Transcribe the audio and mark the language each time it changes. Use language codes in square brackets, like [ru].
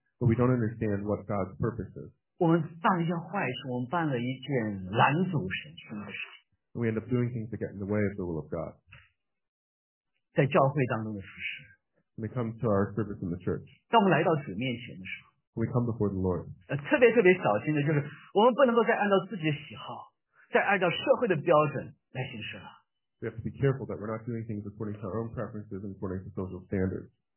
[en] But we don't understand what God's purpose is. [zh] 我们办了一件坏事，我们办了一件拦阻神心意的事情。 [en] We end up doing things that get in the way of the will of God. [zh] 在教会当中的服侍。 [en] When we come to our service in the church. [zh] 当我们来到主面前的时候。 [en] We come before the Lord. [zh] 特别小心的就是，我们不能够再按照自己的喜好，再按照社会的标准来行事了。 [en] We have to be careful that we're not doing things according to our own preferences and according to social standards.